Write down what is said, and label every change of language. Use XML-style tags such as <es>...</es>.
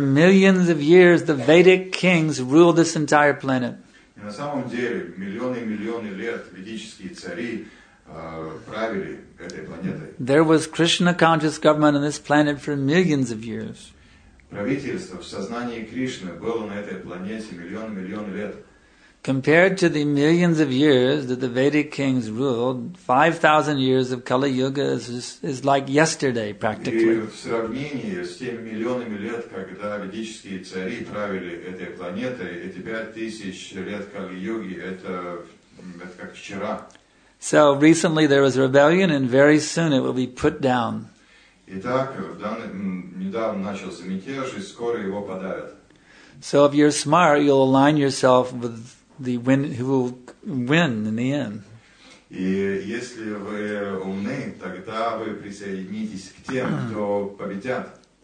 <en>millions of years, the Vedic kings ruled this entire planet.</en> <ru>И на самом деле, миллионы и миллионы лет ведические цари правили этой планетой.</ru> <en>There was Krishna conscious government on this planet for millions of years.</en> <ru>Правительство в сознании Кришны было на этой планете миллионы и миллионы лет.</ru> <en>Compared to the millions of years that the Vedic kings ruled, 5,000 years of Kali Yuga is like yesterday, practically.</en> <ru>И в сравнении с теми миллионами лет, когда ведические цари правили этой планетой, эти 5,000 лет Кали Юги это как вчера.</ru> <en>So recently there was a rebellion, and very soon it will be put down.</en> <ru>Итак, недавно начался мятеж, и скоро его подавят.</ru> <en>So if you're smart, you'll align yourself with the win who will win in the end.</en> <ru>И если вы умны, тогда вы присоединитесь к тем, кто победят.</ru>